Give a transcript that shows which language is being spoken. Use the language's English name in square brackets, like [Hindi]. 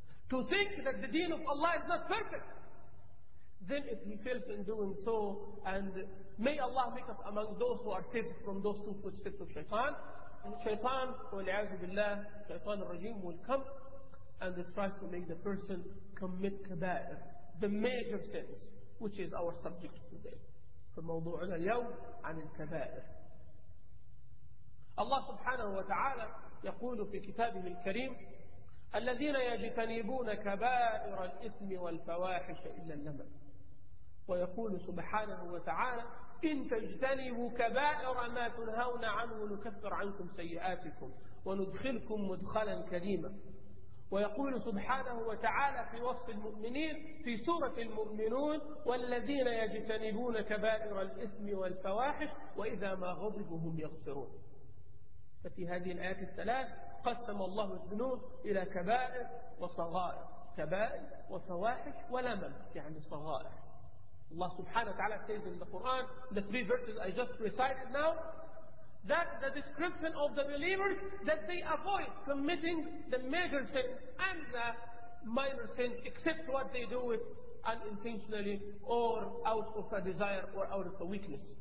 [English] To think that the deen of Allah is not perfect. Then if he fails in doing so, and may Allah make us among those who are saved from those two footsteps of Shaitan, and Shaitan, wal'a'adhu billah, Shaitan al-Rajim will come and try to make the person commit kaba'ir, the major sins, which is our subject today. [Arabic] فموضوعنا اليوم عن الكبائر. الله سبحانه وتعالى يقول في كتابه الكريم: الذين يجتنبون كبائر الإثم والفواحش إلا اللمم. ويقول سبحانه وتعالى: إن تجتنبوا كبائر ما تنهون عنه نكفر عنكم سيئاتكم وندخلكم مدخلا كريما. ويقول سبحانه وتعالى في وصف المؤمنين في سورة المؤمنون: والذين يجتنبون كبائر الإثم والفواحش وإذا ما غضبوا هم يغفرون. ففي هذه الآيات الثلاث قسم الله الذنوب إلى كبائر وصغائر، كبائر وفواحش ولمم يعني صغائر. الله سبحانه وتعالى [English] says in the Quran, the three verses I just recited now, that the description of the believers, that they avoid committing the major sin and the minor sin, except what they do it unintentionally or out of a desire or out of a weakness.